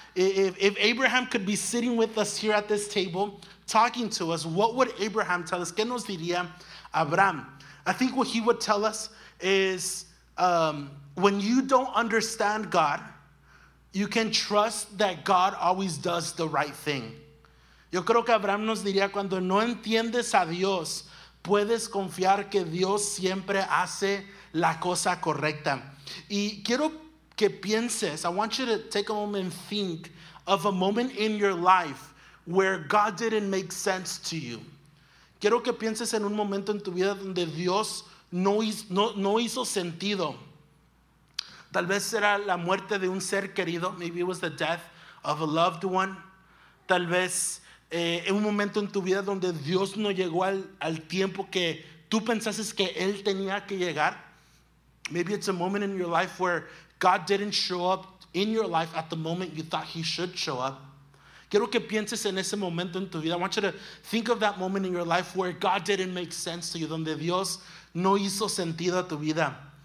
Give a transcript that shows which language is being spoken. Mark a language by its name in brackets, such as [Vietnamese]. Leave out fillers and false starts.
[English] If Abraham could be sitting with us here at this table, talking to us, what would Abraham tell us? [Spanish] ¿Qué nos diría Abraham? [English] I think what he would tell us is, when you don't understand God, you can trust that God always does the right thing. [Spanish] Yo creo que Abraham nos diría, cuando no entiendes a Dios, puedes confiar que Dios siempre hace la cosa correcta. Y quiero que pienses, [English] I want you to take a moment and think of a moment in your life where God didn't make sense to you. [Spanish] Quiero que pienses en un momento en tu vida donde Dios no hizo sentido. Tal vez era la muerte de un ser querido. [English] Maybe it was the death of a loved one. [Spanish] Tal vez en un momento en tu vida donde Dios no llegó al tiempo que tú pensaste que Él tenía que llegar. [English] Maybe it's a moment in your life where God didn't show up in your life at the moment you thought He should show up. [Spanish] Quiero que pienses en ese momento en tu vida. [English] I want you to think of that moment in your life where God didn't make sense to you, [Spanish] donde Dios no hizo sentido a tu vida.